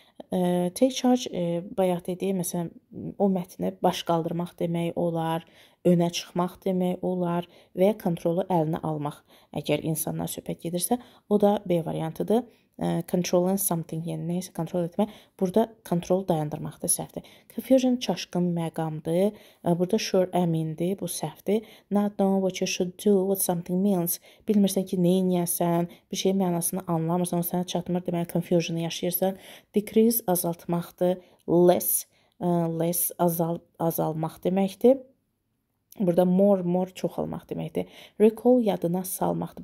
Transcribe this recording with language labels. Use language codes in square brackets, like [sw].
[az] Take charge, bayaq dediyi, məsələn, o mətni baş qaldırmaq demək olar, önə çıxmaq demək olar və ya kontrolu əlinə almaq. Əgər insanla söhbət gedirsə, o da B variantıdır. Controlling something, yəni nəyisə kontrol etmək. Burada kontrol dayandırmaq da səhvdir. Confusion çaşqın məqamdır. Burada sure əmindir, bu səhvdir. [en] Not knowing what you should do, what something means. [az] Bilmirsən ki, neyniyəsən, bir şeyin mənasını anlamırsan, o sənə çatmır, deməli confusion yaşayırsan. Decrease azaltmaqdır. Less azalmaq deməkdir. Burada more çoxalmaq deməkdir. Recall yadına salmaqdır.